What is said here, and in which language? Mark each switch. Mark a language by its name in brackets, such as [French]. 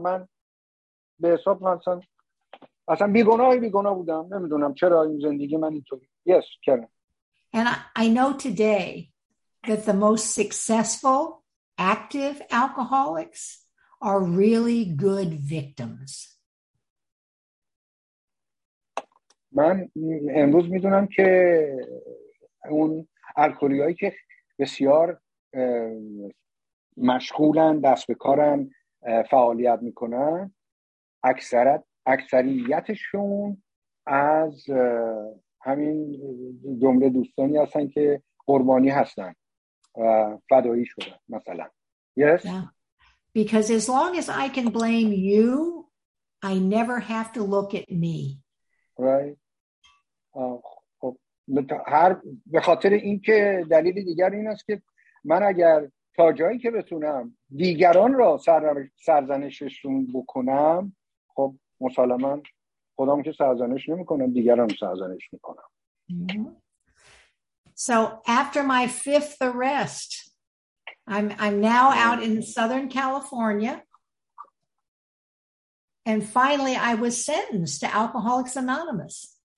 [Persian] من به حساب مثلا اصلا بیگناهی بیگناه بودم. نمیدونم چرا این زندگی من اینطوری. [English] Yes, Karen. And I know today that the most successful active alcoholics are really good victims. [Persian] من امروز میدونم که اون الکلیایی که بسیار مشغولن دست به کارن فعالیت میکنن اکثریتشون از همین جمله دوستانی هستن که قربانی هستن فدایی شدن مثلا yes yeah. [English] Because as long as I can blame you I never have to look at me [Persian] right خب هر به خاطر این که دلیل دیگر این است که من اگر تا جایی که بتونم دیگران را سرزنششون بکنم خب مسلما خودم که سرزنش نمی کنم دیگران سرزنش می کنم [English] So after my fifth arrest, I'm now out in Southern California, and finally I was sentenced to Alcoholics Anonymous.